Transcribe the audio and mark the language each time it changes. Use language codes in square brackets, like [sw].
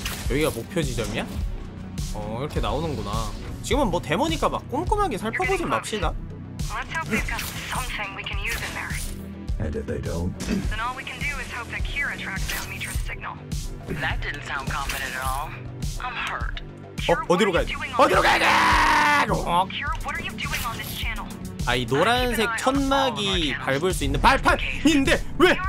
[ko] 여기가 목표 지점이야? 어, 이렇게 나오는구나. 지금은 뭐 데모니까 막 꼼꼼하게 살펴보지 맙시다. [en] Let's hope we've got something we can use in there. And if they don't, then all we can do is hope that Kira tracks down Mitra's signal. That didn't sound confident at all. I'm hurt. Kira, what are you doing on this channel? [ko] 아, 이 노란색 천막이 밟을 수 있는 발판인데 왜?